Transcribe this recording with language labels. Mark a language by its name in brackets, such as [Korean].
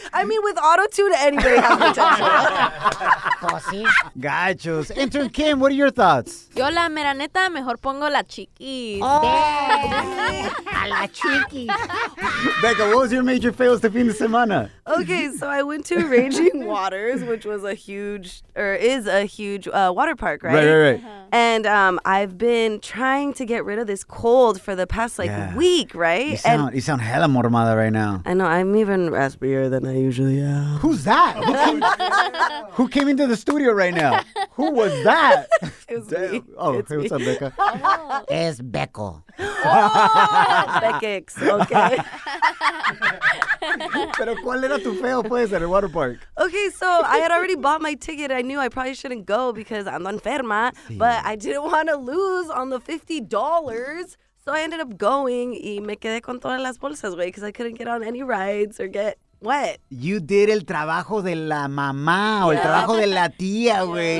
[English] I mean, with auto-tune, anybody has potential. Cosí. Gachos. Intern Kim, what are your thoughts? [Spanish] Yo la mera neta, mejor pongo la chiquis. Oh. A la chiquis. [English] Becca, what was your major fails the [Spanish] fin de semana? [English] Okay, so I went to Raging Waters, which was a huge, or is a huge water park, right? Right. Uh-huh. And I've been trying to get rid of this cold for the past, like, week, right? You sound hella mormada right now. I know, I'm even raspier than I usually am. Who's that? Who came into the studio right now? Who was that? It's me. Oh, it's hey, me. What's up, Becca? It's Becco. Oh, Becca, okay. [Spanish] Pero ¿cuál era tu feo pues en el water park? [English] Okay, so I had already bought my ticket. I knew I probably shouldn't go because [Spanish] ando enferma, sí. [English] But I didn't want to lose on the $50. So I ended up going [Spanish] y me quedé con todas las bolsas, güey, [English] because I couldn't get on any rides or get wet. You did [Spanish] el trabajo de la mamá o el trabajo de la tía, güey.